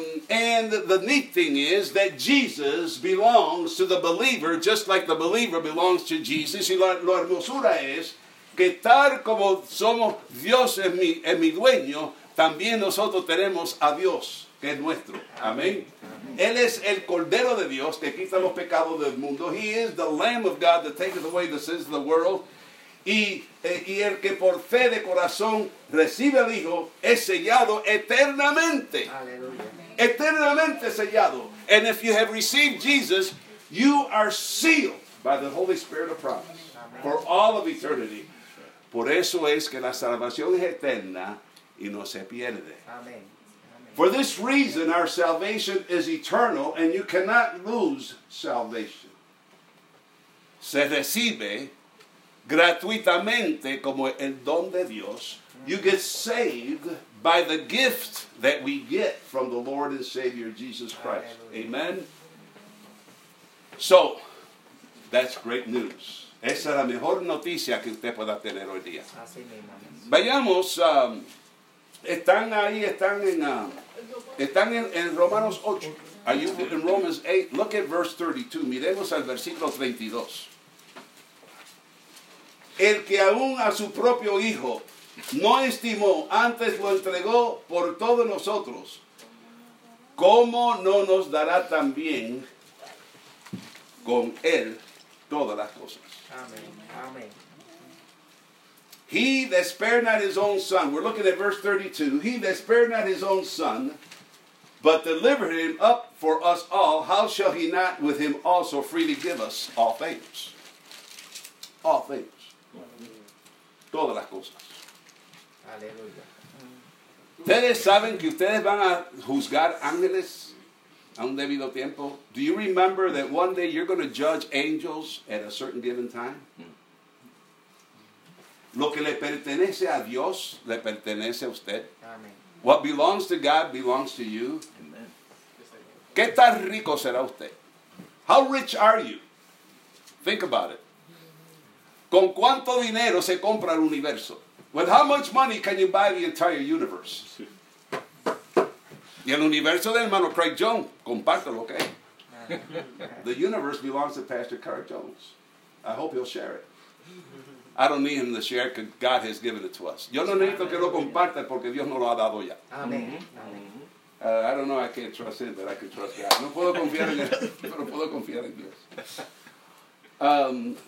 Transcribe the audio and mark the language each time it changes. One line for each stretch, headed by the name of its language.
English: And the neat thing is that Jesus belongs to the believer just like the believer belongs to Jesus.
Spanish: Y la hermosura es que tal como somos Dios es mi dueño, también nosotros tenemos a Dios que es nuestro. Amén. Él es el Cordero de Dios que quita los pecados del mundo.
English: He is the Lamb of God that taketh away the sins of the world.
Spanish: Y el que por fe de corazón recibe al Hijo es sellado eternamente.
English: Hallelujah.
Spanish: Eternamente sellado.
English: And if you have received Jesus, you are sealed by the Holy Spirit of promise. Amen. For all of eternity.
Spanish: Por eso es que la salvación es eterna y no se pierde. Amén.
English: For this reason, our salvation is eternal, and you cannot lose salvation.
Spanish: Se recibe gratuitamente como el don de Dios.
English: You get saved by the gift that we get from the Lord and Savior Jesus Christ. Amen? So, that's great news.
Spanish: Esa es la mejor noticia que usted pueda tener hoy día. Vayamos, están ahí, están en Romanos 8.
English: Are you in Romans 8? Look at verse 32.
Spanish: Miremos al versículo 32. El que aún a su propio hijo no estimó, antes lo entregó por todos nosotros, ¿cómo no nos dará también con él todas las cosas? Amén.
English: He that spared not his own son. We're looking at verse 32. He that spared not his own son, but delivered him up for us all, how shall he not with him also freely give us all things? All things.
Spanish: Todas las cosas. Aleluya. ¿Ustedes saben que ustedes van a juzgar ángeles a un debido tiempo?
English: Do you remember that one day you're going to judge angels at a certain given time?
Spanish: Lo que le pertenece a Dios, le pertenece a usted.
English: Amen. What belongs to God belongs to you. Amen.
Spanish: ¿Qué tan rico será usted?
English: How rich are you? Think about it.
Spanish: ¿Con cuánto dinero se compra el universo?
English: With how much money can you buy the entire universe?
Spanish: Y el universo del hermano Craig Jones, compártelo, ¿ok?
English: The universe belongs to Pastor Craig Jones. I hope he'll share it. I don't need him to share because God has given it to us.
Spanish: Yo no necesito que lo comparta porque Dios no lo ha dado ya.
English: Amen. I don't know, I can't trust him, but I can trust God.
Spanish: No puedo confiar en él, pero puedo confiar en Dios.